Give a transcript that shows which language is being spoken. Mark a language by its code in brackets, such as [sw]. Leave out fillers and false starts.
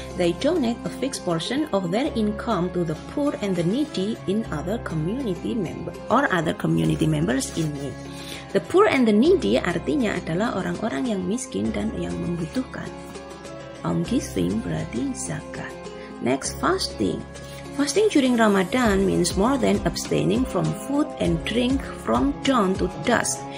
[en] They donate a fixed portion of their income to the poor and the needy in other community members or other community members in need. The poor and the needy [id] artinya adalah orang-orang yang miskin dan yang membutuhkan. Almsgiving berarti zakat. [en] Next, fasting. Fasting during Ramadan means more than abstaining from food and drink from dawn to dusk.